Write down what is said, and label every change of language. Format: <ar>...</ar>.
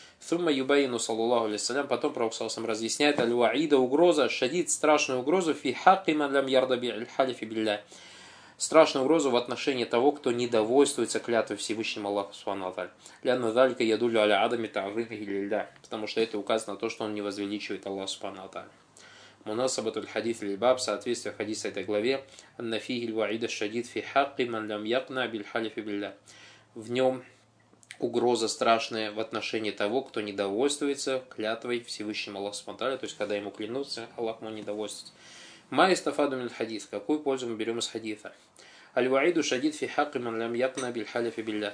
<ar>Сумма юбайну саллаллаху алейхи ва саллям.</ar> <ru>Потом пророк</ru> <ar>саллаллаху алейхи ва саллям</ar> <ru>разъясняет</ru> <ar>аль-ваида</ar> <ru>угроза,</ru> <ar>шадид</ar> <ru>страшную угрозу</ru> <ar>фи хакки ман лям ярда биль-халифи билля.</ar> <ru>Страшную угрозу в отношении того, кто недовольствуется клятвой Всевышнему Аллаху Субхану ва Тааля.</ru> <ar>Лянна залика ядулю аля адами та'зими лилля.</ar> <ru>Потому что это указано на то, что он не возвеличивает Аллаха Субхану ва Тааля.</ru> <ar>مناسبه الحديث للباب</ar> <ru>соответствие хадиса этой главе</ru> <ar>ان فيه الوعيد الشديد في حق من لم يقنع بالحلف بالله.</ar> <ru>В нём угроза страшная в отношении того, кто недовольствуется клятвой Всевышнего Аллаха Субхана ва Тааля, то есть когда ему клянутся, Аллах ему не довольствуется.</ru> <ar>Ма истафаду мин хадис,</ar> <ru>какую пользу мы берём из хадиса?</ru> <ar>Аль-Ваиду шадид фи хакки ман лам якна биль халифи билля.</ar>